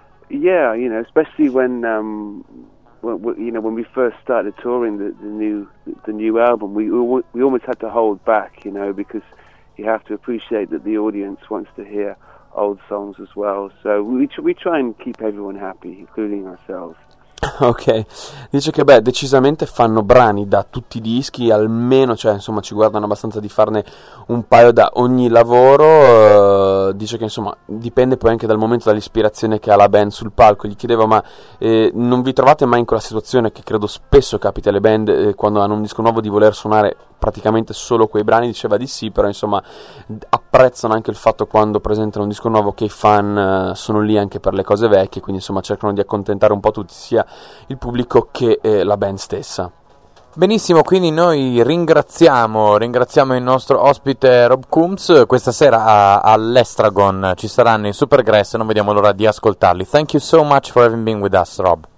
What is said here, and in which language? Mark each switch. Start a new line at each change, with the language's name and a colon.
English: Yeah, you know, especially when we first started touring the new album, we almost had to hold back, you know, because you have to appreciate that the audience wants to hear old songs as well. So we try and keep everyone happy, including ourselves.
Italian: Ok, dice che beh, decisamente fanno brani da tutti i dischi, almeno, cioè insomma, ci guardano abbastanza di farne un paio da ogni lavoro. Dice che insomma dipende poi anche dal momento, dall'ispirazione che ha la band sul palco. Gli chiedevo, ma non vi trovate mai in quella situazione che credo spesso capita alle band, quando hanno un disco nuovo, di voler suonare praticamente solo quei brani? Diceva di sì, però insomma apprezzano anche il fatto, quando presentano un disco nuovo, che i fan sono lì anche per le cose vecchie, quindi insomma cercano di accontentare un po' tutti, sia il pubblico che la band stessa. Benissimo, quindi noi ringraziamo il nostro ospite Rob Coombs. Questa sera all'Estragon ci saranno i Supergrass, e non vediamo l'ora di ascoltarli.
English: Thank you so much for having been with us, Rob.